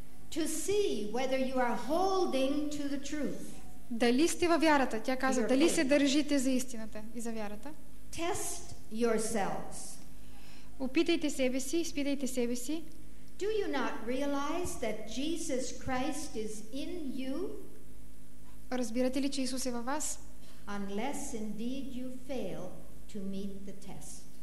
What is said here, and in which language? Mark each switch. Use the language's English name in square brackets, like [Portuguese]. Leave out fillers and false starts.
[English] To see whether you are holding to the truth. [Bulgarian] Дали сте във вярата? Тя каза, дали се държите за истината и за вярата? [English] Test yourselves. [Bulgarian] Опитайте себе си, изпитайте себе си. [English] Do you not realize that Jesus Christ is in you? [Bulgarian] Разбирате ли, че Исус е във вас? [English] Unless indeed you fail to meet the test.